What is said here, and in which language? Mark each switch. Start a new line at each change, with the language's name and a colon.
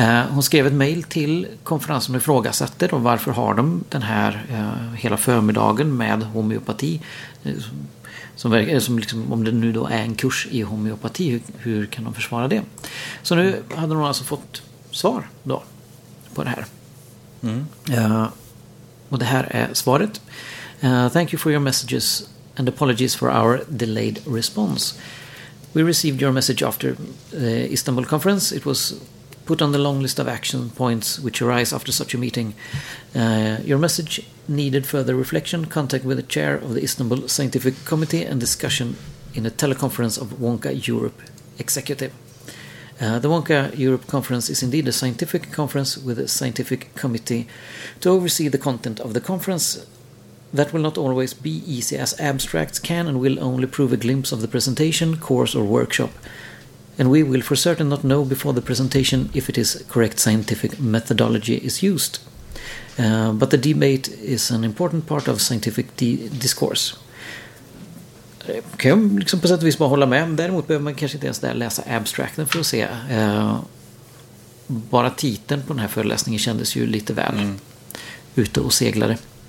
Swedish: Hon skrev ett mejl till konferensen och ifrågasätter då, varför har de den här hela förmiddagen med homeopati som om det nu då är en kurs i homeopati, hur kan de försvara det? Så nu hade hon alltså fått svar då på det här. Och det här är svaret.
English: Thank you for your messages and apologies for our delayed response. We received your message after the Istanbul conference. It was put on the long list of action points which arise after such a meeting. Your message needed further reflection, contact with the chair of the Istanbul Scientific Committee and discussion in a teleconference of Wonka Europe Executive. The Wonka Europe Conference is indeed a scientific conference with a scientific committee to oversee the content of the conference. That will not always be easy, as abstracts can and will only prove a glimpse of the presentation, course or workshop. and we will for certain not know before the presentation if it is correct scientific methodology is used. But the debate is an important part of scientific discourse.
Swedish: Kan jag liksom på sätt och vis bara hålla med. Däremot behöver man kanske inte ens där läsa abstracten för att se. Bara titeln på den här föreläsningen kändes ju lite väl ute och seglade.